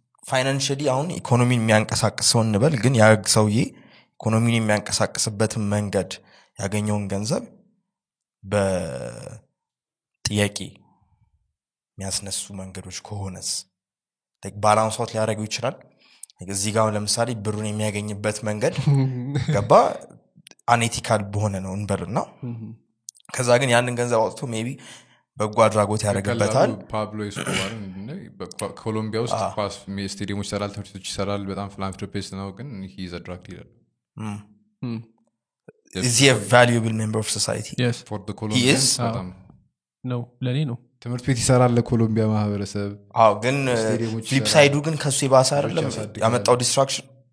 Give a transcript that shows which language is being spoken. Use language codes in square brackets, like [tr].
[am] ፋይናንሻሊ አሁን ኢኮኖሚን የሚያንቀሳቅሰው እንበል ግን ያ ሰውዬ ኢኮኖሚን የሚያንቀሳቅስበት መንገድ ያገኘውን ገንዘብ በጥያቄ የሚያስነሱ መንገዶች ከሆነስ ታክ ባላንስ አውት ሊያደርገው ይችላል እዚህ ጋር ለምሳሌ ብሩን የሚያገኝበት መንገድ ገባ አንኤቲካል በሆነ ነው እንበልና ከዛ ግን ያንን ገንዘብ አውጥቶ ሜቢ በጎ አድራጎት ያደርግበታል ፓብሎ ኤስኮባር እንደኔ በኮሎምቢያ ውስጥ ፓስ ስቴዲየሞች ሰራል ትርቶች ሰራል በጣም ፊላንትሮፒስት ነው ግን [en] ሂ ኢዝ አ ድራግ ዲለር is he a valuable member of society yes for the colombians he is no [am] ለኔ ነው ትምህርት ቤት ይሰራል ለኮሎምቢያ ማህበረሰብ አው ግን ፍሊፕ ሳይዱ ግን ከሱ ይባስ አይደለም ያመጣው ዲስትራክሽን